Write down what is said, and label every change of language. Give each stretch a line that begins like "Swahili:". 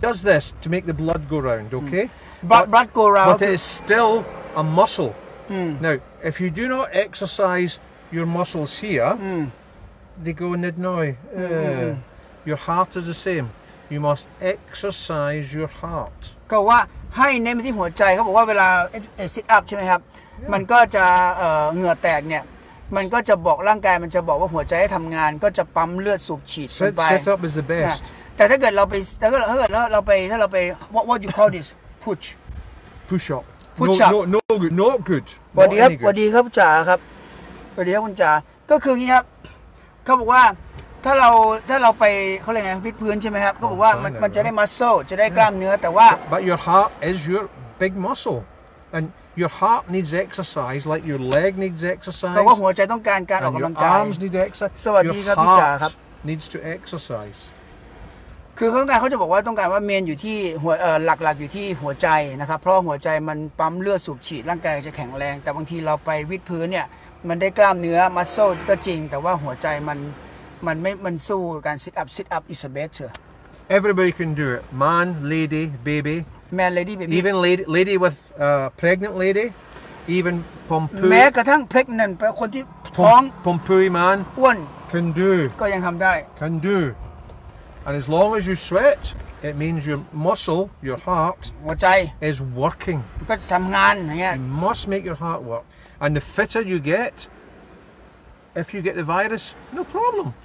English: does this to make the blood go round. Okay. But blood go round. But it's still a muscle. Now if you do not exercise your muscles here, they go nidnoy. Your heart is the same. You must exercise your heart.
Thai: ก็ว่าให้เน้นไปที่หัวใจเขาบอกว่าเวลา sit up ใช่ไหมครับมันก็จะเหงื่อแตกเนี่ยมันก็จะบอกร่างกายมันจะบอกว่าหัวใจให้ทำงานก็จะปั๊มเลือดสูบฉีดไป
English: Set up is the best
Thai: แต่ถ้าเกิดเราไปถ้าเราไป
English: what you call this push up no good
Thai: วันดีครับจ๋าครับวันดีครับคุณจ๋าก็คืองี้ครับเขาบอกว่าถ้าเราไปเขาเรียกไงวิดพื้นใช่ไหมครับเขาบอกว่ามันจะได้มัสเซลจะได้กล้ามเนื้อแต่ว่า
English: but your heart is your big muscle andYour heart needs exercise, like your leg needs exercise.
Thai: ก็ว่าหัวใจต้องการการออกกำลังกาย
English: And your arms need exercise.
Thai: สวัสดีครับพี่จ๋าครับ
English: Needs to exercise.
Thai: คือเขาต้องการเขาจะบอกว่าต้องการว่าเมนอยู่ที่หัวหลักอยู่ที่หัวใจนะครับเพราะหัวใจมันปั๊มเลือดสูบฉีดร่างกายจะแข็งแรงแต่บางทีเราไปวิดพื้นเนี่ยมันได้กล้ามเนื้อมัสเซลก็จริงแต่ว่าหัวใจมันไม่มันสู้การ
English: sit up is better. Everybody can do it. Man, lady, baby. Man, lady, baby. Even lady with pregnant lady, even pompoo.
Thai: แม้กระทั่ง pregnant คนที่ท้อง
English: pompoo man. One can do.
Thai: ก็ยังทำได้
English: Can do. And as long as you sweat, it means your muscle, your heart,
Thai: หัวใจ
English: is working.
Thai: ก็ทำงานเนี่ย
English: You must make your heart work. And the fitter you get, if you get the virus, no problem.